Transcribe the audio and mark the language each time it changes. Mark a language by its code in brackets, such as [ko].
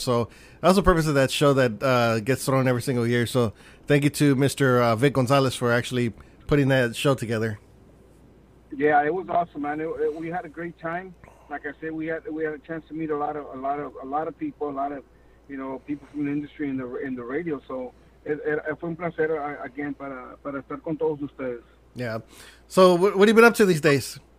[en] So that's the purpose of that show that gets thrown every single year. So thank you to Mr. Vic Gonzalez for actually putting that show together. Yeah, it was awesome, man. We had a great time. Like I said, we had a chance to meet a lot of people, a lot of, you know, people from the industry and in the radio. So it [es] fue un placer [en] again [es] para estar con todos ustedes. [en] Yeah. So what have you been up to these days,